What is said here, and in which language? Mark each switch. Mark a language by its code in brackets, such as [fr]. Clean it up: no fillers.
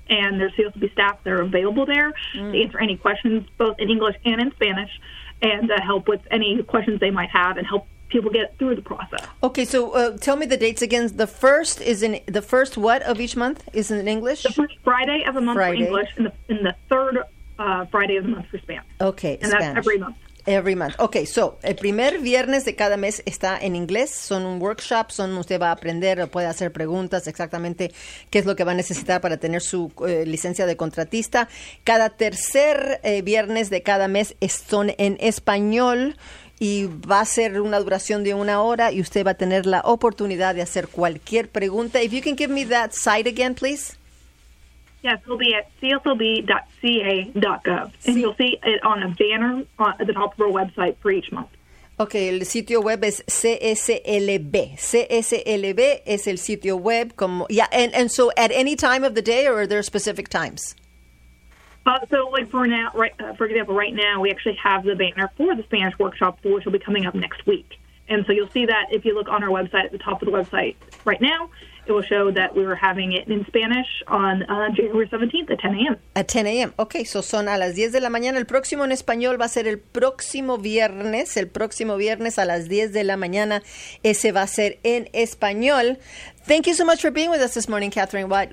[en] And there's CSLB staff that are available there to answer any questions, both in English and in Spanish, and to help with any questions they might have and help people get through the process. Okay, so tell me the dates again. The first is in the first what of each month is in English? The first Friday of the month Friday. For English and the third Friday of the month for Spanish. Okay, and Spanish. That's every month. Every month. [es] Okay, so el primer viernes de cada mes está en inglés. Son un workshop, son usted va a aprender, puede hacer preguntas exactamente qué es lo que va a necesitar para tener su licencia de contratista. Cada tercer viernes de cada mes son en español y va a ser una duración de una hora y usted va a tener la oportunidad de hacer cualquier pregunta. [en] If you can give me that site again, please. Yes, it'll be at cslb.ca.gov, and you'll see it on a banner at the top of our website for each month. [es] Okay, el sitio web es CSLB. CSLB es el sitio web. [en] Como, yeah, and so at any time of the day, or are there specific times? So, like for now, for example, right now we actually have the banner for the Spanish workshop, which will be coming up next week. And so you'll see that if you look on our website, at the top of the website right now, it will show that we were having it in Spanish on January 17th at 10 a.m. At 10 a.m. [es] Okay, so son a las 10 de la mañana. El próximo en español va a ser el próximo viernes a las 10 de la mañana. Ese va a ser en español. [en] Thank you so much for being with us this morning, Catherine Watt.